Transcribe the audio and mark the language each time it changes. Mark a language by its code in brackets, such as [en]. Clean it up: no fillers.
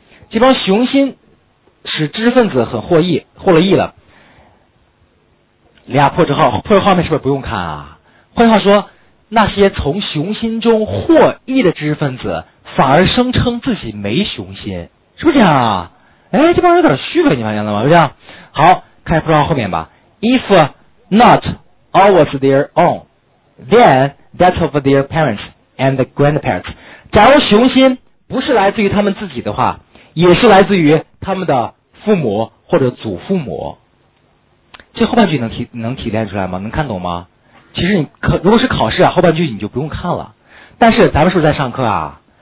[zh] 这帮雄心使知识分子很获益，获了益了。俩破折号，破折号后面是不是不用看啊？换句话说，那些从雄心中获益的知识分子反而声称自己没雄心，是不是这样啊？哎，这帮人有点虚伪，你发现了吗？是不是？好，看破折号后面吧。 [en] If not always their own thenThat's of their parents and grandparents。 [zh] 假如雄心不是来自于他们自己的话，也是来自于他们的父母或者祖父母。这后半句能体炼出来吗？能看懂吗？其实你可如果是考试啊，后半句你就不用看了。但是咱们是不是在上课啊？